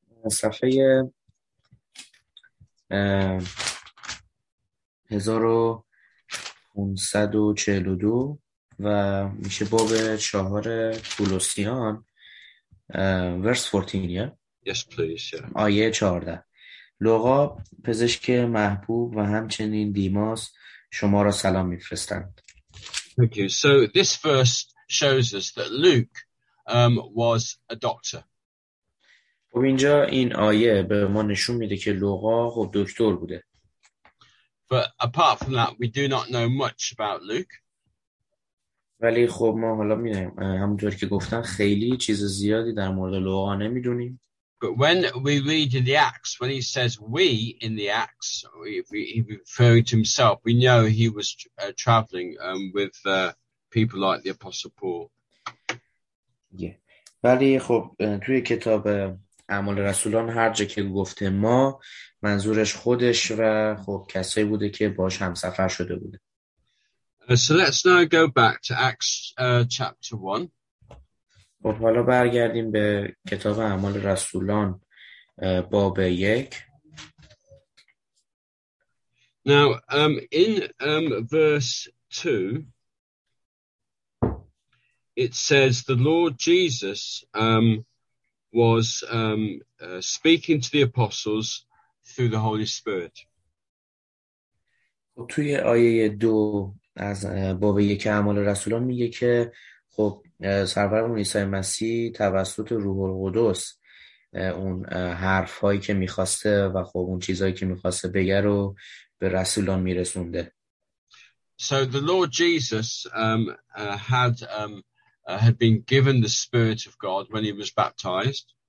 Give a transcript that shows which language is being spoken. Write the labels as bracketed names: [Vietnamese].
[Persian] صفحه 1542 و میشه باب چهار کولوسیان ورس 14 یا [English] yes, please, yeah. [Persian] آیه 14 لوقا پزشک محبوب و همچنین دیماس شما را سلام میفرستند. [English] Thank you. So this verse shows us that Luke was a doctor. [Persian] خب اینجا این آیه به ما نشون میده که لوقا خب دکتر بوده. [English] But apart from that, we do not know much about Luke. [Persian] ولی خب ما حالا میدونیم همونطور که گفتم خیلی چیز زیادی در مورد لوقا نمیدونیم. [English] But when we read in the Acts, when he says we in the Acts, he referred to himself, we know he was traveling with people like the Apostle Paul. [Persian] ولی خب توی کتاب اعمال رسولان هر جا که گفته ما منظورش خودش و خب کسایی بوده که باش هم سفر شده بوده. [English] So let's now go back to Acts chapter 1. [Persian] خب حالا برگردیم به کتاب اعمال رسولان باب 1. [English] Now in verse 2 it says the Lord Jesus was speaking to the apostles through the Holy Spirit. [Persian] توی آیه دو از باب یک اعمال رسولان میگه که خب سرورمون عیسی مسیح توسط روح القدس اون حرفایی که میخواسته و خب اون چیزایی که میخواسته بگه رو به رسولان میرسونده. [English] So the Lord Jesus had been given the Spirit of God when he was baptized.